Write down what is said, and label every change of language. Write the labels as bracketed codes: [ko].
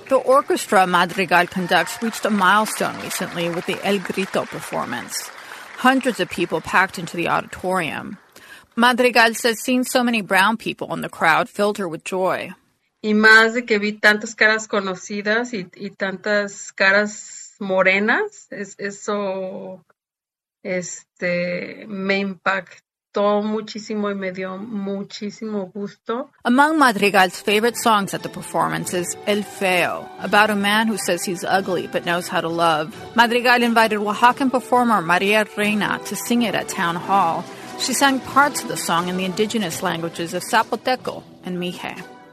[en] The orchestra Madrigal conducts reached a milestone recently with the El Grito performance. Hundreds of people packed into the auditorium. Madrigal says seeing so many brown people in the crowd filled her with joy. [es] Y más de que vi tantas caras conocidas y tantas caras morenas, eso me impactó muchísimo y me dio muchísimo gusto. [en] Among Madrigal's favorite songs at the performance is El Feo, about a man who says he's ugly but knows how to love. Madrigal invited Oaxacan performer Maria Reina to sing it at Town Hall. She sang parts of the song in the indigenous languages of Zapoteco and Mije.